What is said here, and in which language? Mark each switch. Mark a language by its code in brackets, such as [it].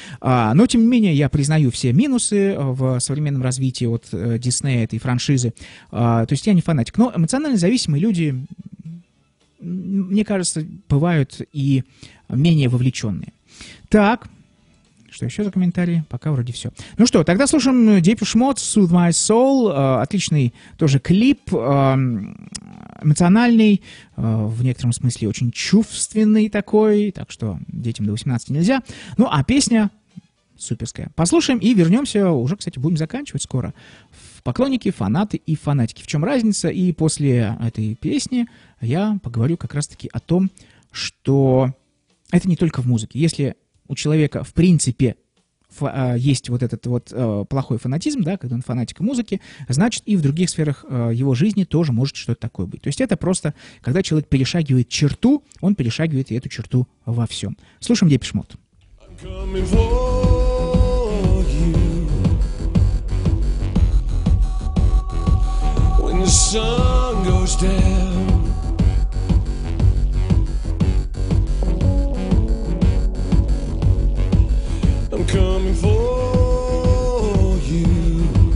[ru] Но, тем не менее, я признаю все минусы в современном развитии от Диснея, этой франшизы. То есть я не фанатик. Но эмоционально зависимые люди, мне кажется, бывают и менее вовлеченные. Так, что еще за комментарии? Пока вроде все. Ну что, тогда слушаем Depeche Mode, Soothe My Soul. Отличный тоже клип, эмоциональный, в некотором смысле очень чувственный такой, так что детям до 18 нельзя. Ну а песня суперская. Послушаем и вернемся, уже, кстати, будем заканчивать скоро. Поклонники, фанаты и фанатики. В чем разница? И после этой песни я поговорю как раз-таки о том, что это не только в музыке. Если у человека, в принципе, есть вот этот вот плохой фанатизм, да, когда он фанатик музыки, значит, и в других сферах его жизни тоже может что-то такое быть. То есть это просто, когда человек перешагивает черту, он перешагивает и эту черту во всем. Слушаем Depeche Mode. [en] When the sun goes down, I'm coming for you.